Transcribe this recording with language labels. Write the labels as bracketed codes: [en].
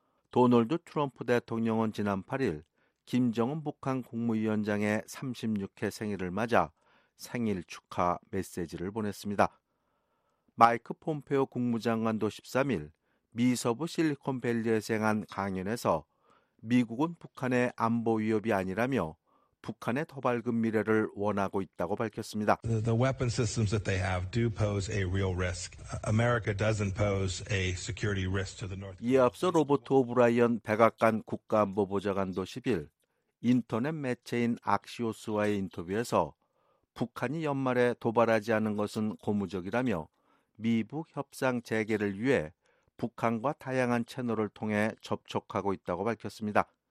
[ko] 도널드 트럼프 대통령은 지난 8일 김정은 북한 국무위원장의 36회 생일을 맞아 생일 축하 메시지를 보냈습니다. 마이크 폼페오 국무장관도 13일 미 서부 실리콘밸리에서 한 강연에서 미국은 북한의 안보 위협이 아니라며 북한의 더 밝은 미래를 원하고 있다고 밝혔습니다. [en] The weapon systems that they have do pose a real risk. America doesn't pose a security risk to the North. [ko] 이에 앞서 로버트 오브라이언 백악관 국가안보보좌관도 10일 인터넷 매체인 악시오스와의 인터뷰에서 북한이 연말에 도발하지 않은 것은 고무적이라며 미북 협상 재개를 위해 북한과 다양한 채널을 통해 접촉하고 있다고 밝혔습니다.